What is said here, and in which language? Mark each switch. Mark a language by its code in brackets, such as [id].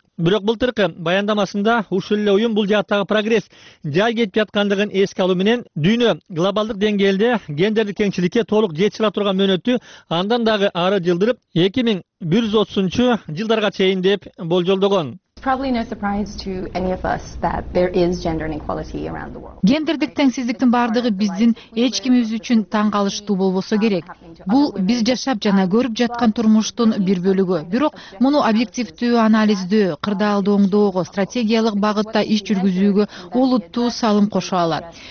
[ky] Бирок былтыркы баяндамасында ушул эле уюм бул жааттагы прогресс жай кетип жаткандыгын эске алуу менен дүйнө глобалдык деңгээлде гендердик теңчиликке толук жетишила турган мөөнөттү андан дагы ары жылдырып 2130-жылдарга чейин деп болжолдогон. [en] Probably no surprise to any of us that there is gender inequality around the world. [ky] Гендердик теңсиздиктин бардыгы биздин эч кимибиз үчүн таң калыштуу болбосо керек. Бул биз жашап жана көрүп жаткан турмуштун бир бөлүгү. Бирок муну объективдүү анализдөө, кырдаалды оңдоого, стратегиялык багытта иш жүргүзүүгө олуттуу салым кошо алат.